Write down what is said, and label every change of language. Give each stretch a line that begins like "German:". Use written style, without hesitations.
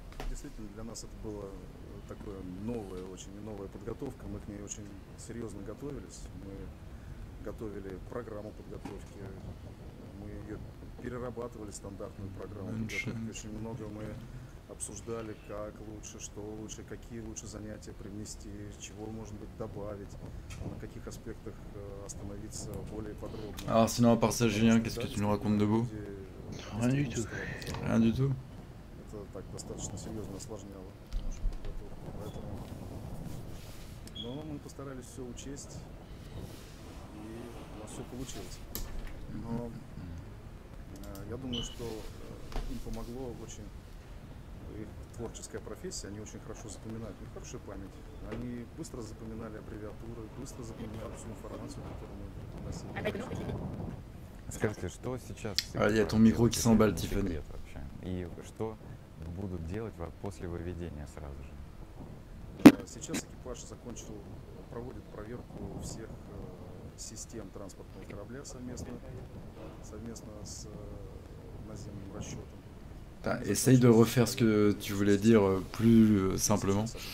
Russian: Действительно, для нас это было такое новое, очень новая подготовка, мы к ней очень серьезно готовились, мы готовили программу подготовки, мы ее перерабатывали, стандартную программу подготовки, очень много мы обсуждали, как лучше, что лучше, какие лучше занятия привнести, чего, может быть, добавить, на каких аспектах остановиться более подробно.
French: А, sinon, à part ça, Julien, qu'est-ce que tu nous racontes debout? Rien du tout. Rien du tout.
Russian: Это так достаточно серьезно осложняло нашу подготовку, поэтому... Но мы постарались все учесть, и у нас все получилось. Но я думаю, что им помогло очень... Их творческая профессия, они очень хорошо запоминают, у них хорошая память. Они быстро запоминали аббревиатуры, быстро запоминали всю информацию, которую мы носили. Скажите, что сейчас...
French: А, я ton micro qui s'emballe, Tiffany.
Russian: И что будут делать после выведения сразу же? Сейчас экипаж проводит проверку всех систем транспортного корабля совместно с наземным расчетом.
French: Essaye de refaire ce que tu voulais dire plus simplement.